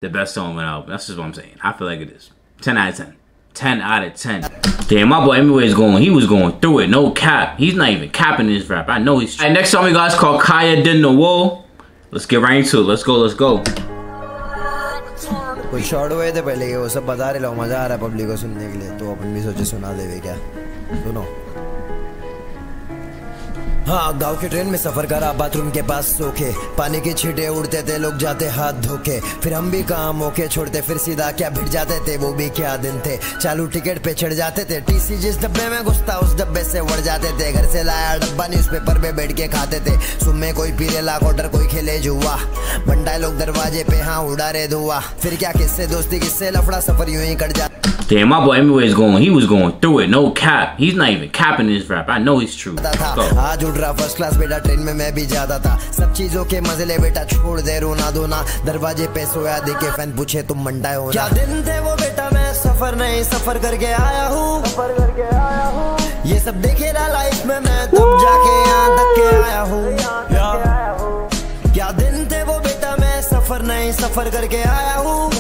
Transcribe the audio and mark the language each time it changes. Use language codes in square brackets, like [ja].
[en] the best song on the album. That's just what I'm saying. I feel like it is. 10 out of 10. 10 out of 10. Damn, my boy Emiway is going. He was going through it. No cap. He's not even capping this rap. I know he's true. All right, next song we got is called Kaya Din the Wall. Let's get right into it. Let's go, let's go. [hi] कुछ short हुए थे पहले ये वो सब बता रहे लो मजा आ रहा है पब्लिक को सुनने के लिए तो अपन भी सोचे सुना देवे क्या सुनो हाँ गांव के ट्रेन में सफर करा बाथरूम के पास सोके पानी के छींटे उड़ते थे लोग जाते हाथ धोके फिर हम भी कहाँ मौके छोड़ते फिर सीधा क्या भिड़ जाते थे वो भी क्या दिन थे चालू टिकट पे चढ़ जाते थे टीसी जिस डब्बे में घुसता उस डब्बे से उड़ जाते थे घर से लाया डब्बा न्यूज़पेपर पे बैठ के खाते थे सुबह कोई पीले लाख ऑर्डर कोई खेले जुआ बंटाए लोग दरवाजे पे हाँ उड़ा रहे धुआ फिर क्या किससे दोस्ती किससे लफड़ा सफर यूं ही कट जाता [en] Damn, my boy Emiway is going. He was going through it. No cap. He's not even capping his rap. I know he's true. [hi] आज उड़ रहा फर्स्ट क्लास बेटा ट्रेन में मैं भी जाता था सब चीजों के मजे ले बेटा छोड़ दे रोना धोना दरवाजे पे सोया देखे फैन पूछे तुम मंडाए हो क्या दिन थे वो बेटा मैं सफर नहीं सफर करके आया हूँ ये सब देखे ना लाइफ में मैं तब जाके यहाँ तक के आया हूँ क्या दिन थे वो बेटा मैं सफर नहीं सफर करके आया हूँ